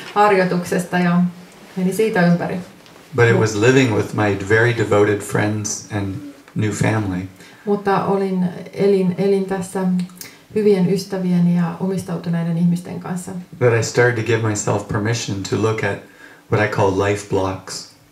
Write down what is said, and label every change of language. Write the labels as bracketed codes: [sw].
[fi] harjoituksesta ja meni siitä ympäri. [en] But it was living with my very devoted friends and new family. [fi] Mutta elin tässä hyvien ystävien ja omistautuneiden ihmisten kanssa. [en] That I started to give myself permission to look at what I call life blocks.